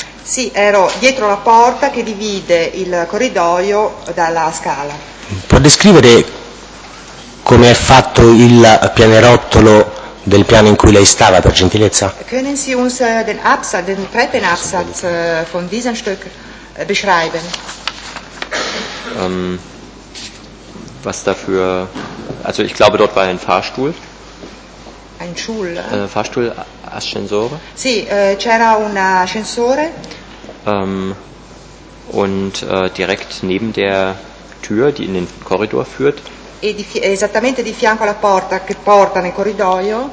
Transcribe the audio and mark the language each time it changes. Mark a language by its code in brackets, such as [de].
[it] Sì, ero dietro la porta che divide il corridoio dalla scala. Può descrivere come è fatto il pianerottolo del piano in cui lei stava, per gentilezza? [de] Können Sie uns den Absatz, den Treppenabsatz von diesem Stück beschreiben? Was dafür? Also ich glaube, dort war ein Fahrstuhl. Ein Stuhl. Fahrstuhl, Ascensore. [it] Sì, c'era un ascensore. [de] Und direkt neben der Tür, die in den Korridor führt. [it] Esattamente di fianco alla porta che porta nel corridoio.